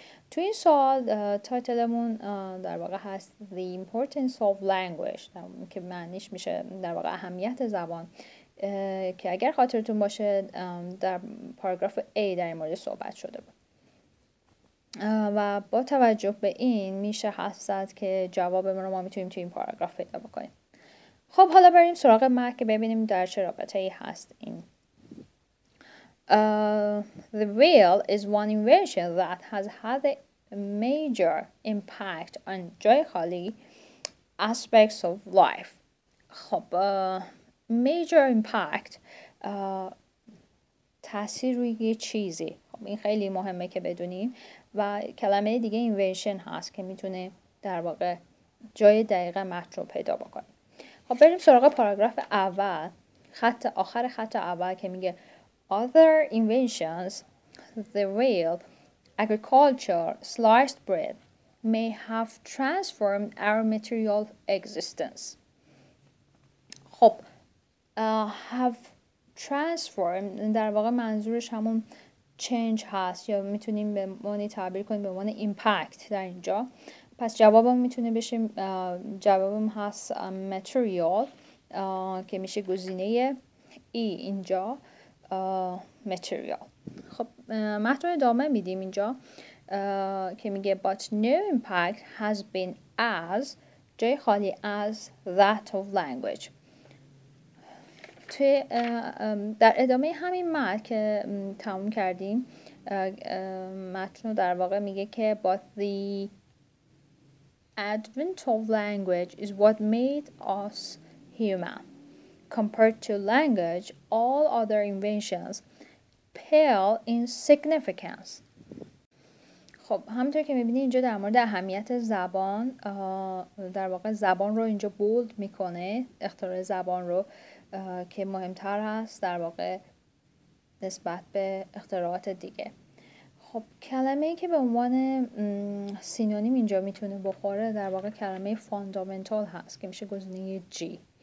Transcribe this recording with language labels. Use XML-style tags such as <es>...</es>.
<fa>توی این سوال تایتلمون در واقع هست</fa> <en>The Importance of Language</en> <fa>که معنیش میشه در واقع اهمیت زبان، که اگر خاطرتون باشه در پاراگراف A در این مورد صحبت شده بود و با توجه به این میشه حسد که جواب ما رو ما میتونیم توی این پاراگراف پیدا بکنیم. خب حالا بریم سراغ مک که ببینیم در چه رابطه ای هست این.</fa> <en>The whale is one invention that has had a major impact on joyfully aspects of life.</en> <fa>خب</fa> <en>major impact</en> <fa>تأثیر روی یه چیزی. خب این خیلی مهمه که بدونیم و کلمه دیگه invention هست که میتونه در واقع جای دقیق متن رو پیدا بکنه. خب بریم سراغ پاراگراف اول، خط آخر خط اول که میگه</fa> <en>Other inventions, the wheel, agriculture, sliced bread, may have transformed our material existence.</en> <fa>خب</fa> <en>have transformed</en> <fa>در واقع منظورش همون change هست، یا میتونیم به معنی تعبیر کنیم به معنی impact در اینجا. پس جوابم میتونه بشه جوابم هست material که میشه گزینه ای اینجا material. خب متن رو ادامه میدیم اینجا که میگه</fa> <en>but no impact has been as</en> <fa>جای خالی</fa> <en>as that of language.</en> <fa>توی در ادامه همین متن که تموم کردیم متن رو در واقع میگه که</fa> <en>but the advent of language is what made us human. Compared to language, all other inventions pale in significance.</en> <fa>خب همونطور که میبینی اینجا در مورد اهمیت زبان در واقع زبان رو اینجا بولد میکنه، اختراع زبان رو که مهمتر هست در واقع نسبت به اختراعات دیگه. خب کلمه ای که به عنوان سینونیم اینجا میتونه بخوره در واقع کلمه فاندامنتال هست که میشه گزینه جی.</fa>